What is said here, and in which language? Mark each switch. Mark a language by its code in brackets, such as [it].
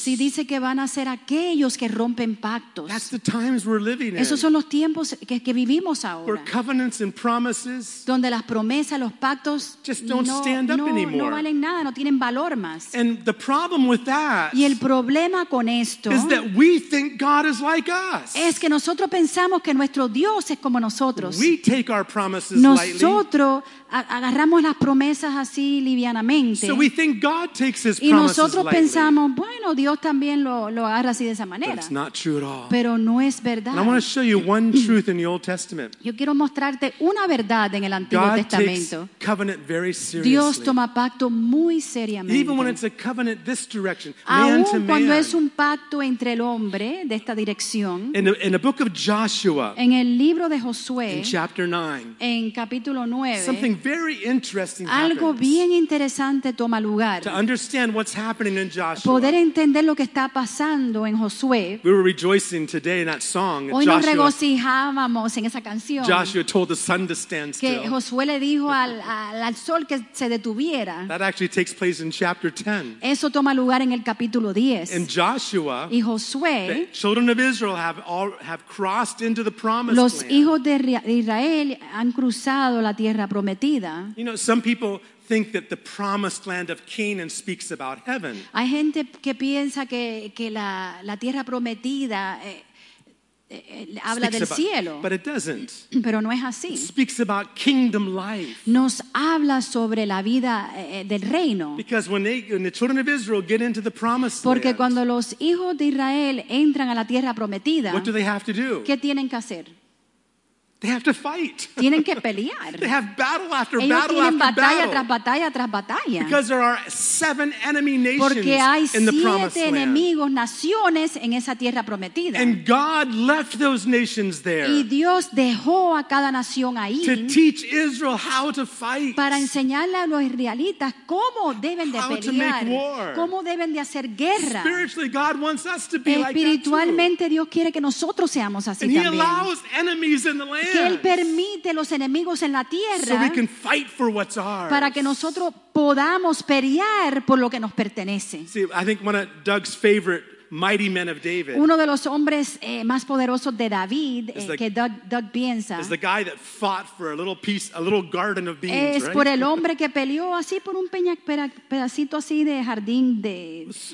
[es] Si dice que van a ser aquellos que rompen pactos. [en] That's the times we're living in. [es] Esos son los tiempos que vivimos ahora. [en] Where covenants and promises [es] donde las promesas, los pactos [en] just don't stand up anymore. [es] No valen nada, no tienen valor más. [en] And the problem with that [es] y el problema con esto [en] is that we think God is like us. [es] Es que nosotros pensamos que nuestro Dios es como nosotros. [en] We take our promises [es] nosotros [en] lightly. [es] Agarramos las promesas así livianamente. [en] So we think God takes his [es] y nosotros pensamos, bueno, Dios también lo agarra así de esa manera. [en] But it's not true at all. [es] Pero no es verdad. [en] And I want to show you one truth in the Old Testament. [es] Yo quiero mostrarte una verdad en el Antiguo [en] God [es] Testamento. [en] Takes covenant very seriously. [es] Dios toma pacto muy seriamente. [en] Even when it's a covenant this direction, [es] aún [en] man [es] cuando [en] man. [es] Es un pacto entre el hombre de esta dirección. [en] In the book of Joshua, [es] en el libro de Josué, [en] in chapter 9, [es] en capítulo 9, [en] very interesting [es] algo bien interesante toma lugar. [en] To understand what's happening in Joshua. [es] Poder entender lo que está pasando en Josué. [en] We were rejoicing today in that song. [es] Hoy nos regocijábamos en esa canción. [en] Joshua told the sun to stand still. [es] Que Josué le dijo al sol que se detuviera. [en] That actually takes place in chapter 10. [es] Eso toma lugar en el capítulo 10. [en] And Joshua, [es] y Josué, [en] the children of Israel have crossed into the promised [es] los [en] land. [es] Los hijos de Israel han cruzado la tierra prometida. [en] You know, some people think that the promised land of Canaan speaks about heaven. [es] Hay gente que piensa que la tierra prometida habla del cielo. [en] But it doesn't. [es] Pero no es así. [en] It speaks about kingdom life. [es] Nos habla sobre la vida del reino. [en] Because when the children of Israel get into the promised land. [es] Porque cuando los hijos de Israel entran a la tierra prometida. [en] What do they have to do? [es] ¿Qué tienen que hacer? [en] They have to fight. [es] Tienen que pelear. [en] They have battle after [es] ellos [en] battle [es] tienen [en] after [es] batalla Tras batalla tras batalla. [en] Because there are seven enemy nations [es] porque hay [en] in the [es] siete [en] promised [es] enemigos, [en] land. [es] Naciones en esa tierra prometida. [en] And God left those nations there. [es] Y Dios dejó a cada nación ahí. [en] To teach Israel how to fight. [es] Para enseñarle a los israelitas cómo deben de [en] how [es] pelear. [en] To make war. [es] Cómo deben de hacer guerra. [en] Spiritually, God wants us to be [es] espiritualmente [en] like that [es] Dios quiere que nosotros seamos así [en] and [es] también. [en] He allows enemies in the land. [es] Que Él permite los enemigos en la tierra [en] so we can fight for what's ours. [es] Para que nosotros podamos pelear por lo que nos pertenece. [en] See, I think one of Doug's favorite mighty men of David. [es] Uno de los hombres más poderosos de David que Doug piensa. [en] Is the guy that fought for a little piece, a little garden of beans, [es] es [en] right? [es] Es por el hombre que peleó así por un pedacito así de jardín de